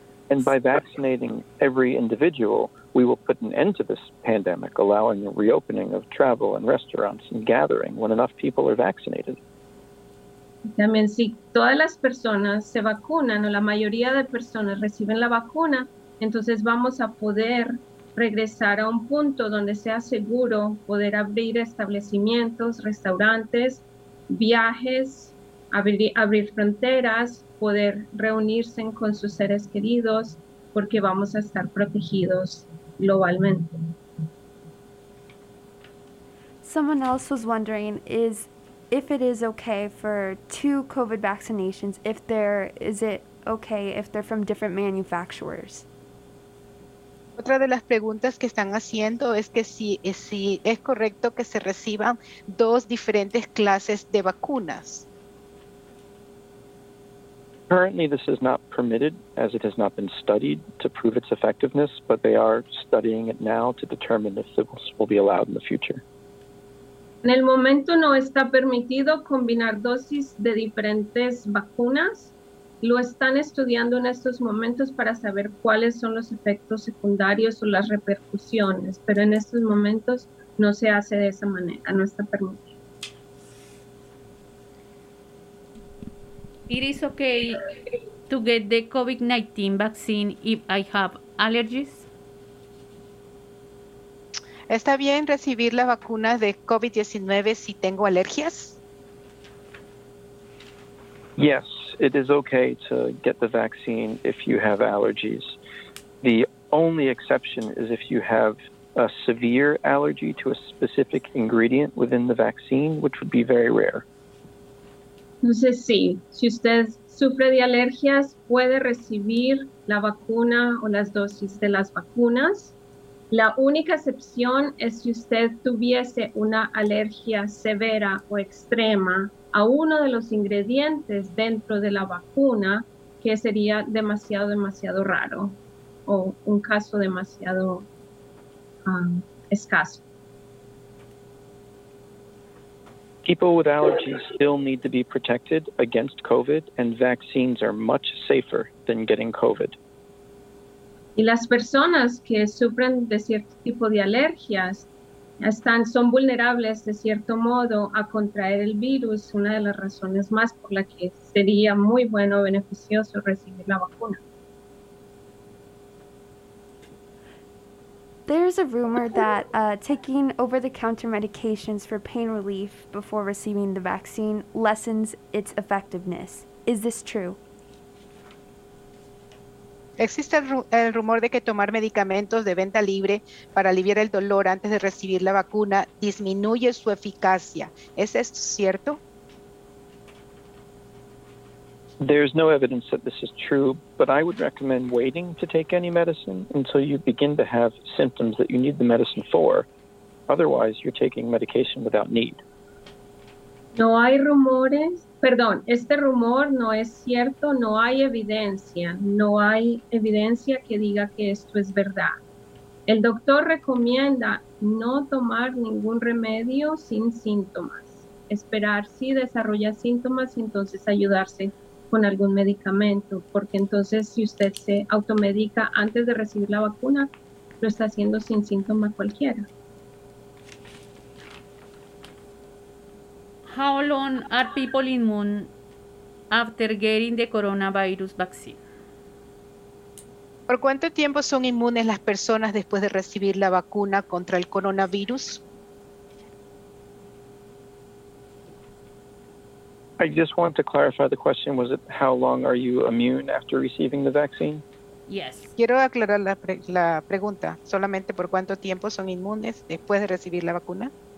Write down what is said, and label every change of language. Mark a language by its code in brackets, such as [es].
[en] And by vaccinating every individual, we will put an end to this pandemic, allowing the reopening of travel and restaurants and gathering when enough people are vaccinated. [es] También si todas las personas se vacunan o la mayoría de personas reciben la vacuna, entonces vamos a poder regresar a un punto donde sea seguro poder abrir establecimientos, restaurantes, viajes, abrir fronteras, poder reunirse con sus seres queridos, porque vamos a estar protegidos globalmente. [en] Someone else was wondering is if it is okay for two COVID vaccinations, if they're from different manufacturers. [es] Otra de las preguntas que están haciendo es que si es correcto que se reciban dos diferentes clases de vacunas. [en] Currently, this is not permitted as it has not been studied to prove its effectiveness, but they are studying it now to determine if this will be allowed in the future. [es] En el momento no está permitido combinar dosis de diferentes vacunas. Lo están estudiando en estos momentos para saber cuáles son los efectos secundarios o las repercusiones, pero en estos momentos no se hace de esa manera, no está permitido. [en] It is okay to get the COVID-19 vaccine if I have allergies? [es] ¿Está bien recibir la vacuna de COVID-19 si tengo alergias? [en] Yes, it is okay to get the vaccine if you have allergies. The only exception is if you have a severe allergy to a specific ingredient within the vaccine, which would be very rare. [es] Entonces, sí, si usted sufre de alergias, puede recibir la vacuna o las dosis de las vacunas. La única excepción es si usted tuviese una alergia severa o extrema a uno de los ingredientes dentro de la vacuna, que sería demasiado, demasiado raro o un caso demasiado escaso. [en] People with allergies still need to be protected against COVID, and vaccines are much safer than getting COVID. [es] Y las personas que sufren de cierto tipo de alergias están, son vulnerables de cierto modo a contraer el virus, una de las razones más por la que sería muy bueno, beneficioso recibir la vacuna. [en] There's a rumor that taking over-the-counter medications for pain relief before receiving the vaccine lessens its effectiveness. Is this true? [es] Existe el rumor de que tomar medicamentos de venta libre para aliviar el dolor antes de recibir la vacuna disminuye su eficacia. ¿Es esto cierto? [en] There's no evidence that this is true, but I would recommend waiting to take any medicine until you begin to have symptoms that you need the medicine for. Otherwise, you're taking medication without need. [es] No hay rumores, perdón, este rumor no es cierto, no hay evidencia, no hay evidencia que diga que esto es verdad. El doctor recomienda no tomar ningún remedio sin síntomas. Esperar si desarrolla síntomas y entonces ayudarse con algún medicamento, porque entonces si usted se automedica antes de recibir la vacuna, lo está haciendo sin síntoma cualquiera. [en] How long are people immune after getting the coronavirus vaccine? [es] ¿Por cuánto tiempo son inmunes las personas después de recibir la vacuna contra el coronavirus? [en] I just want to clarify the question. Was it how long are you immune after receiving the vaccine? Yes. [es] Quiero aclarar la pregunta. Solamente por cuánto tiempo son inmunes después de recibir la vacuna.